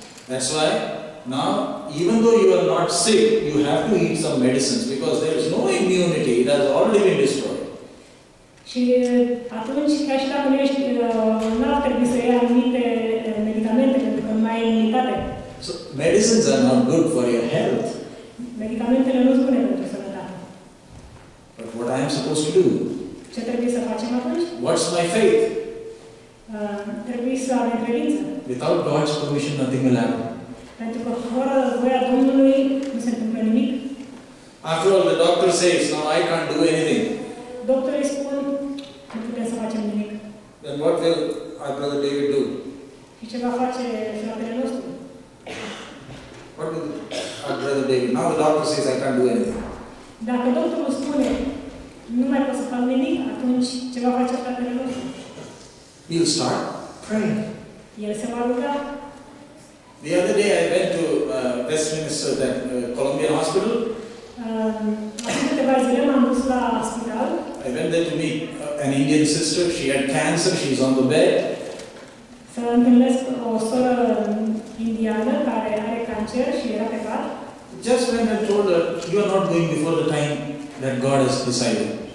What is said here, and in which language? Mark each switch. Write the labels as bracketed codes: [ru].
[en] That's why now, even though you are not sick, you have to eat some medicines because there is no immunity. It has already been destroyed. [ro] Și atunci, chiar și dacă nu ești, nu ar trebui să iei anumite medicamente pentru că nu mai ai imunitate. [en] So, medicines are not good for your health. [ro] Medicamentele nu sunt bune pentru sănătate. [en] But what I am supposed to do? [ro] Ce trebuie să facem atunci? [en] What's my faith? [ro] Trebuie să avem credință. [en] Without God's permission, nothing will happen. [ro] Pentru că fără voia Domnului, nu se întâmplă nimic. [en] After all, the doctor says, now I can't do anything. [ro] Doctorii spun, nu putem să facem nimic. [en] Then what will our brother David do? [ro] Și ce va face fratele nostru? [en] What will our brother David? Now the doctor says, I can't do anything. [ro] Dacă doctorul spune, nu mai pot să fac nimic, atunci ce va face fratele nostru? [en] He'll start praying. [ro] El se va ruga. [en] The other day I went to Westminster, that Columbian Hospital. [ro] Acum câteva zile m-am dus la spital. [en] I went there to meet an Indian sister. She had cancer. She's on the bed. [ro] Să întâlnesc o soră indiană care are cancer și era pe pat. [en] Just when I told her, you are not going before the time that God has decided.